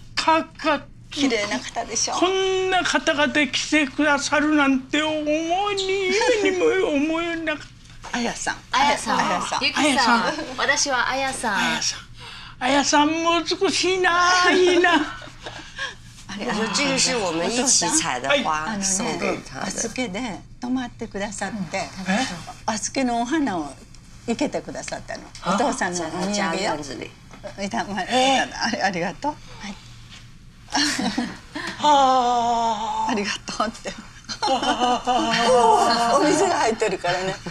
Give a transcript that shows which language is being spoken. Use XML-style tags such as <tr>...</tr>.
<ja>かっか。綺麗な方でしょ。こんな方々来てくださるなんて思うに、夢にも思えなかった。あやさん。あやさん。ユキさん。さん私はあやさん。あやさん。あやさんも美しいな、いいな。</ja> <zh>这个是我们一起采的花，送给他的。</zh> <ja>預けで泊まってくださって、預けのお花を生けてくださったの。お父さんのお土産を。ありがとう。はい。ありがとうって。お水が入ってるからね。</ja>